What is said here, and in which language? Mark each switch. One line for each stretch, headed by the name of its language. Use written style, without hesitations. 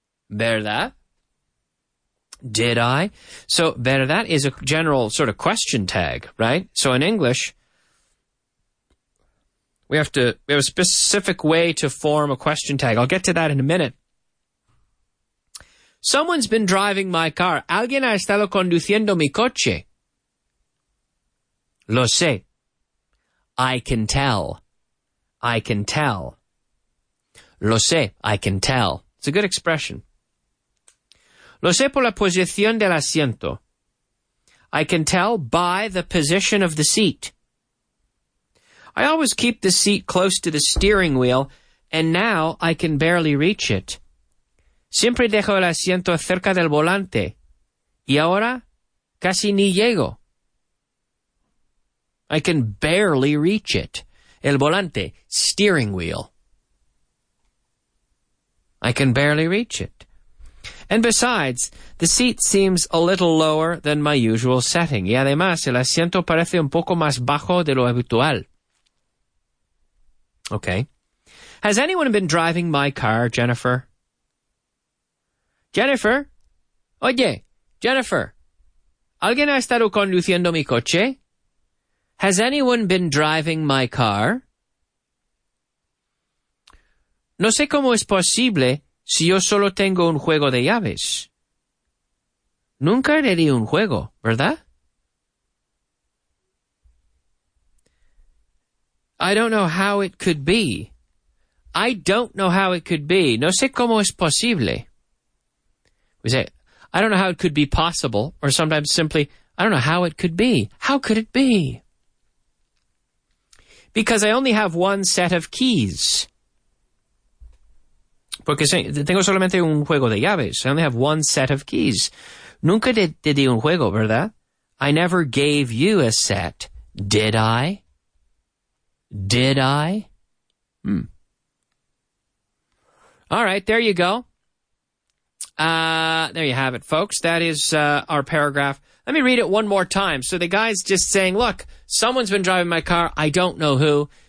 English: ¿Verdad? Did I? So, ¿verdad? That is a general sort of question tag, right? So in English, we have a specific way to form a question tag. I'll get to that in a minute. Someone's been driving my car.
Spanish: Alguien ha estado conduciendo mi coche. Lo sé.
English: I can tell. I can tell. Lo sé. I can tell. It's a good expression.
Spanish: Lo sé por la posición del asiento.
English: I can tell by the position of the seat. I always keep the seat close to the steering wheel, and now I can barely reach it.
Spanish: Siempre dejo el asiento cerca del volante. Y ahora, casi ni llego.
English: I can barely reach it.
Spanish: El volante,
English: steering wheel. I can barely reach it. And besides, the seat seems a little lower than my usual setting.
Spanish: Y además, el asiento parece un poco más bajo de lo habitual.
English: Okay. Has anyone been driving my car, Jennifer?
Spanish: Jennifer, oye, Jennifer, ¿Alguien ha estado conduciendo mi coche?
English: ¿Has anyone been driving my car?
Spanish: No sé cómo es posible si yo solo tengo un juego de llaves. Nunca le di un juego, ¿verdad?
English: I don't know how it could be. I don't know how it could be.
Spanish: No sé cómo es posible.
English: We say, I don't know how it could be possible, or sometimes simply, I don't know how it could be. How could it be? Because I only have one set of keys.
Spanish: Porque tengo solamente un juego de llaves.
English: I only have one set of keys.
Spanish: Nunca te di un juego, ¿verdad?
English: I never gave you a set, did I? Did I? Hmm. All right, there you go. There you have it, folks. That is our paragraph. Let me read it one more time. So the guy's just saying, look, someone's been driving my car. I don't know who.